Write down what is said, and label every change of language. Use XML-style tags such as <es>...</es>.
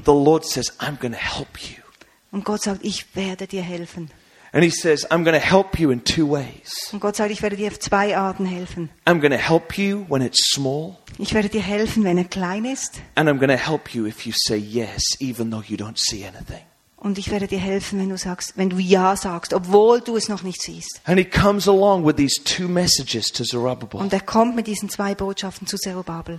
<en>The Lord says, I'm going to help you.</en> <de>Und Gott sagt, ich werde dir helfen.</de> <en>And he says, I'm going to help you in two ways.</en> <de>Und Gott sagt, ich werde dir auf zwei Arten helfen.</de> <en>I'm going to help you when it's small.</en> <de>Ich werde dir helfen, wenn er klein ist.</de> <en>And I'm going to help you if you say yes, even though you don't see anything.</en> <de>Und ich werde dir helfen, wenn du ja sagst, obwohl du es noch nicht siehst.</de> <en>And he comes along with these two messages to Zerubbabel.</en> <de>Und er kommt mit diesen zwei Botschaften zu Zerubbabel.</de>